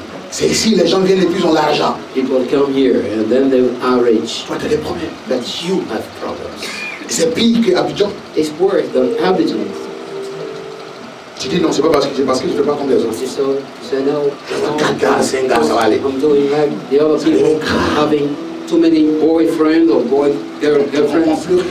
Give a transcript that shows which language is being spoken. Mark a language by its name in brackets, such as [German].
[French] C'est ici les gens viennent et puis ils ont l'argent. [English] People come here and then they are rich. [French] Toi t'as des problèmes. [English] But you have problems. [French] C'est pire que Abidjan. [English] It's worse than Abidjan. [French] Tu dis non, c'est pas parce que je fais pas comme les autres. [English] So, so no, I'm doing like the other people having too many boyfriends or boy girlfriends.